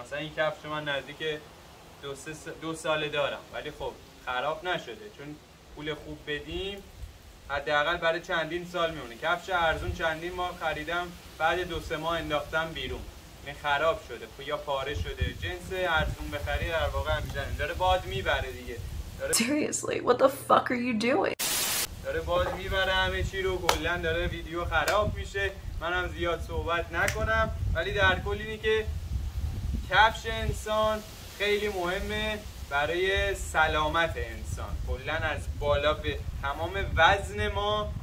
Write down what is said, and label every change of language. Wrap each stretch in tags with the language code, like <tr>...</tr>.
<fa>مثلا این کفش من نزدیک دو ساله دارم، ولی خب خراب نشده چون پول خوب بدیم حداقل برای چندین سال میمونه. کفش ارزون چندین ماه خریدم بعد دو سه ماه انداختم بیرون، نه خراب شده یا پاره شده. جنس ارزون بخری در واقع همینه، داره باد میبره دیگه.</fa> <en>Seriously, what the fuck are you doing?</en> <fa>داره باد میبره همه چی رو، کلا داره ویدیو خراب میشه. منم زیاد صحبت نکنم، ولی در کل اینی که کفش انسان خیلی مهمه برای سلامت انسان. کلا از بالا به تمام وزن ما</fa>